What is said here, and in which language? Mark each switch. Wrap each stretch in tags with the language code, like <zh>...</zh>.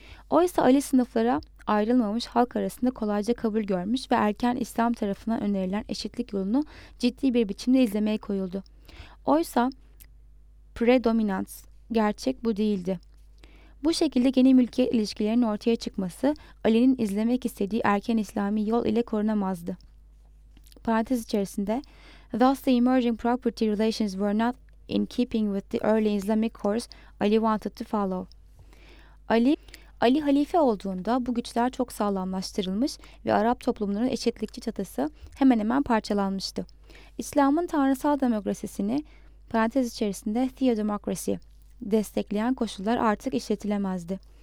<tr>Oysa Ali sınıflara ayrılmamış, halk arasında kolayca kabul görmüş ve erken İslam tarafından önerilen eşitlik yolunu ciddi bir biçimde izlemeye koyuldu. Oysa predominans gerçek bu değildi. Bu şekilde yeni mülkiyet ilişkilerinin ortaya çıkması Ali'nin izlemek istediği erken İslami yol ile korunamazdı. Parantez içerisinde,</tr> <en>thus the emerging property relations were not in keeping with the early Islamic course Ali wanted to follow.</en> <tr>Ali halife olduğunda bu güçler çok sağlamlaştırılmış ve Arap toplumlarının eşitlikçi çatısı hemen hemen parçalanmıştı. İslam'ın tanrısal demokrasisini, parantez içerisinde theodemocracy, destekleyen koşullar artık işletilemezdi.</tr>